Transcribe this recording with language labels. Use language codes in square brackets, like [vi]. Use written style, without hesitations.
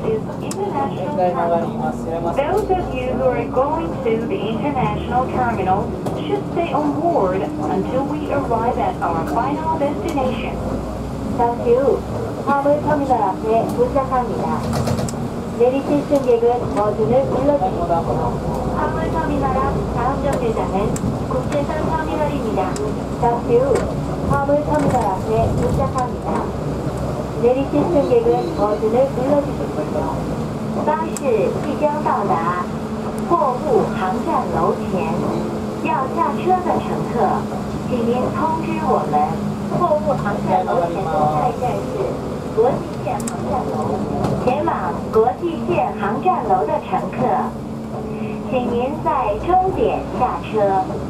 [en] The South Air Cargo Terminal is the international terminal. Those of you who are going to the international terminal should stay on board until we arrive at our final destination. [ko] 잠시 후 화물 터미널 앞에 도착합니다. 내리실 승객은 버튼을 눌러주세요. 화물 터미널 앞 다음 정류장은 국제선 터미널입니다. 잠시 후 화물 터미널 앞에 도착합니다. 내리실승객은버튼을눌러주십시오 [zh] 巴士即将到达货物航站楼前，要下车的乘客，请您通知我们。货物航站楼前的下一站是国际线航站楼。前往国际线航站楼的乘客，请您在终点下车。